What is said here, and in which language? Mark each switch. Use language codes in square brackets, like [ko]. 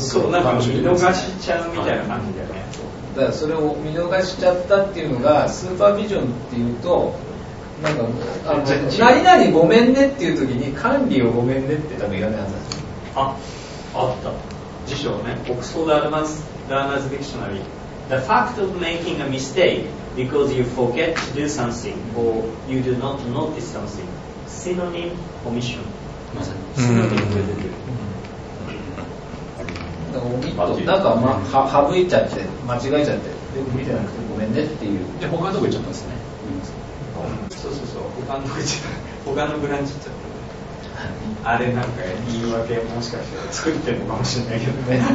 [ja] そう、なんか見逃しちゃうみたいな感じだよね。だからそれを見逃しちゃったっていうのが、スーパービジョンっていうと、なんか、何々ごめんねっていう時に、管理をごめんねって多分いらないはずです。あ、あった。辞書ね。オックスフォード・アドバンス・ラーナーズ・ディクショナリー。 [en] The fact of making a mistake because you forget to do something or you do not notice something. Synonym, omission. [ja] まさに、synonym が出てる。なんか、まあ、省いちゃって間違えちゃってよく見てなくてごめんねっていう。じゃあ他のとこ行っちゃったんですね、うん、そうそうそう、他のとこ行っちゃった、他のブランチ行っちゃった。あれなんか言い訳もしかして作ってるのかもしれないけどね。